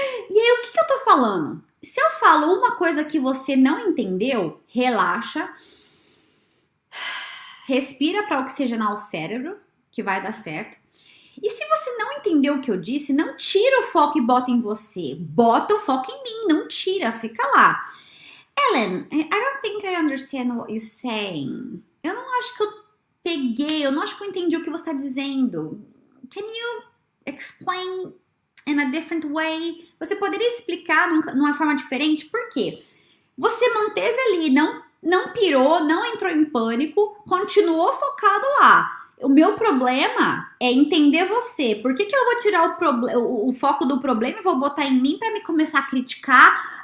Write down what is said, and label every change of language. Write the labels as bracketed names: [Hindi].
[Portuguese] E aí, o que eu tô falando? Se eu falo uma coisa que você não entendeu, relaxa, respira para oxigenar o cérebro, que vai dar certo. E se você não entendeu o que eu disse, não tira o foco e bota em você. Bota o foco em mim, não tira, fica lá. [English] Ellen, I don't think I understand what you're saying. [Portuguese] Eu não acho que eu peguei, eu não acho que eu entendi o que você está dizendo. [English] Can you explain in a different way? [Portuguese] Você poderia explicar numa forma diferente? Por quê? Você manteve ali, não pirou, não entrou em pânico, continuou focado lá. O meu problema é entender você. Por que que eu vou tirar o foco do problema e vou botar em mim pra me começar a criticar?